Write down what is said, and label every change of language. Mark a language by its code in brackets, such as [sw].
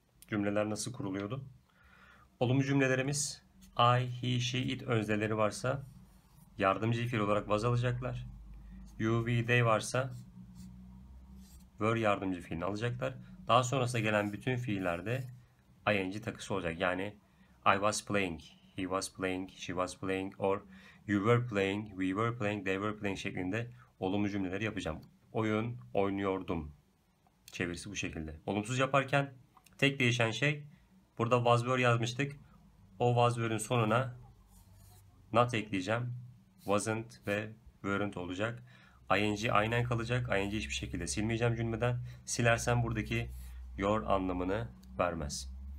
[tr] Cümleler nasıl kuruluyordu? Olumlu cümlelerimiz I, he, she, it özneleri varsa yardımcı fiil olarak was alacaklar. You, we, they varsa were yardımcı fiilini alacaklar. Daha sonrasında gelen bütün fiillerde ing takısı olacak. Yani [en] I was playing, he was playing, she was playing or you were playing, we were playing, they were playing [tr] şeklinde olumlu cümleler yapacağım. Oyun oynuyordum. Çevirisi bu şekilde. Olumsuz yaparken tek değişen şey burada was were yazmıştık. O was were'ün sonuna not ekleyeceğim. Wasn't ve weren't olacak. ING aynen kalacak. ING hiçbir şekilde silmeyeceğim cümleden. Silersen buradaki your anlamını vermez.